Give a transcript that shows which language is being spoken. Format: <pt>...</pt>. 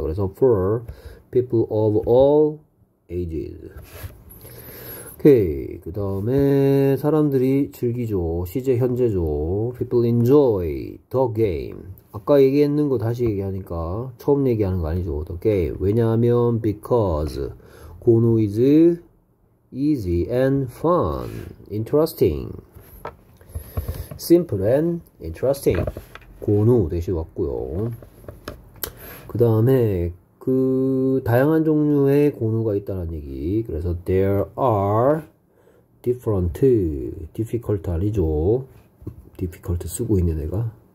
<en>그래서 for people of all ages.</en> <ko>오케이. 그 다음에 사람들이 즐기죠.</ko> <en>시제 현재죠. People enjoy the game.</en> <ko>아까 얘기했는 거 다시 얘기하니까 처음 얘기하는 거 아니죠.</ko> <en>The game. 왜냐하면 because 고노 is easy and fun, interesting, simple and interesting.</en> <ko>고노 대시 왔고요. 그 다음에 그 다양한 종류의 고노가 있다는 얘기.</ko> <en>그래서 there are different, difficult 아니죠?</en> <ko>difficult 쓰고 있네 내가.</ko>